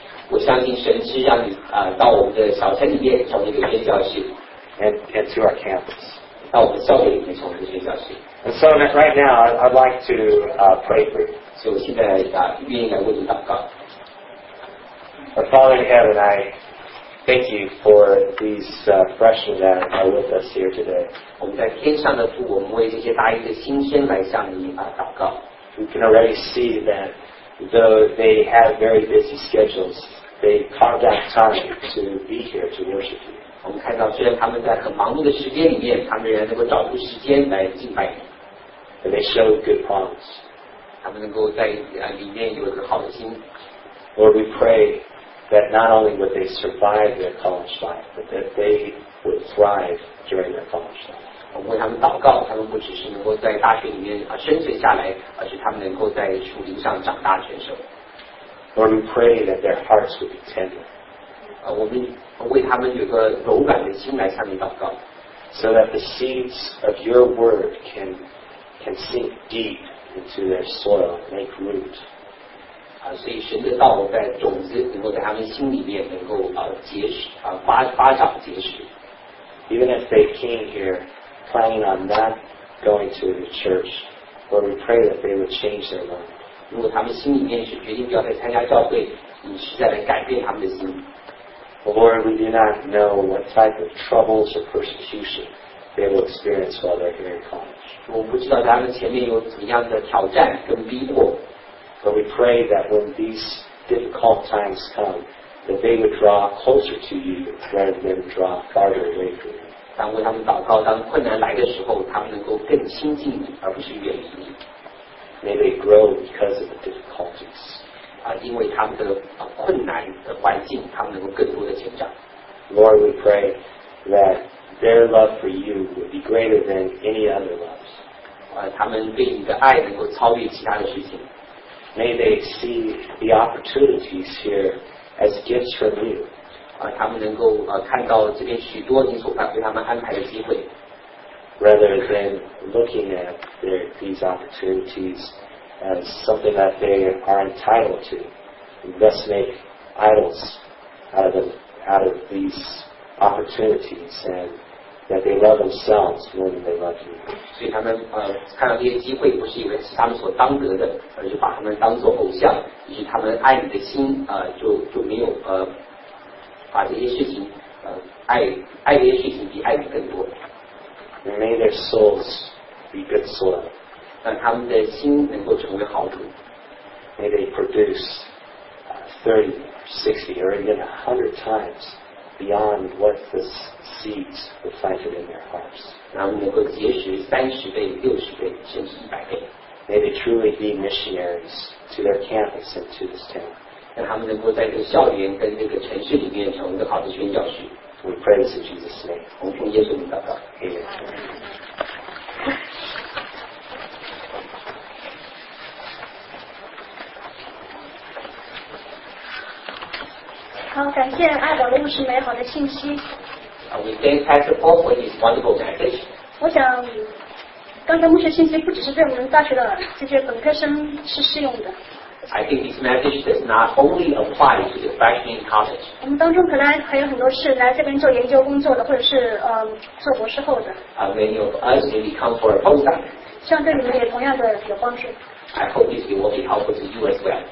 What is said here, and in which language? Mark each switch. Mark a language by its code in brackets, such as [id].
[zh] 我相信神是让你到我们的小城里面成为一个宣教士。 [en] And to our campus. [zh] 到我们校园里面成为一个宣教士。 [en] And so right now, I'd like to pray for you. [zh] 所以我现在愿意来为你祷告。 [en] Father in heaven, I thank you for these freshmen that are with us here today. [zh] 我们在天上的父，我们为这些大一的新生来向你祷告。 [en] We can already see that though they have very busy schedules, they carved out time to be here to worship you. [zh] 我们看到虽然他们在很忙碌的时间里面，他们仍然能够找出时间来敬拜你。 [en] And they show good promise. [zh] 他们能够在里面有一个好的心。 [en] Lord, we pray that not only would they survive their college life, but that they would thrive during their college life. [zh] 我们为他们祷告，他们不只是能够在大学里面生存下来，而是他们能够在树林上长大成熟。 [en] Lord, we pray that their hearts would be tender. [zh] 我们为他们有个柔软的心来向你祷告。 [en] So that the seeds of your word can sink deep. Into their soil, make root. [zh] 所以神的道在种子能够在他们心里面能够结实发长结实。 [en] Even if they came here planning on not going to the church, Lord, we pray that they would change their mind. [zh] 如果他们心里面是决定不要再参加教会，你实在来改变他们的心。 [en] Lord, we do not know what type of troubles or persecution. They will experience while they're here in college. [zh] 我不知道他们前面有怎么样的挑战跟逼迫。 [en] But we pray that when these difficult times come, that they would draw closer to you rather than draw farther away from you. [zh] 当为他们祷告，当困难来的时候，他们能够更亲近你，而不是远离你。 [en] May they grow because of the difficulties. [zh] 因为他们的困难的环境，他们能够更多的成长。 [en] Lord, we pray that. Their love for you would be greater than any other loves. [zh] 他们对你的爱能够超越其他的事情。 [en] May they see the opportunities here as gifts from you. [zh] 他们能够看到这边许多你所为他们安排的机会。 [en] Rather than looking at these opportunities as something that they are entitled to, thus make idols out of these opportunities and. That they love themselves more than they love you. [zh] 所以他们看到这些机会，不是以为是他们所当得的，而是把他们当作偶像，以及他们爱你的心就没有把这些事情爱这些事情比爱你更多。 [en] May their souls be good soil. [zh] 让他们的心能够成为好土。 [en] May they produce 30, 60, or even 100 times. Beyond what the seeds were planted in their hearts. [zh] 然后能够结实30倍、60倍、甚至100倍。 [en] May they truly be missionaries to their campus and to this town. [zh] 让他们能够在这个校园跟这个城市里面成为一个好的宣教士。 [en] We pray this in Jesus' name. [zh] 我们奉耶稣名祷告。 [en] Amen. [zh] 好，感谢爱的牧师美好的信息。 [en] We thank Pastor Paul for his wonderful message. [zh] 我想刚才牧师信息不只是对我们大学的这些本科生是适用的。 [en] I think this message does not only apply to the freshman in college. [zh] 我们当中可能还有很多是来这边做研究工作的，或者是做博士后的。 [en] Many of us may come for a postdoc. [zh] 像对你们也同样的有帮助。 [en] I hope this will be helpful to you as well.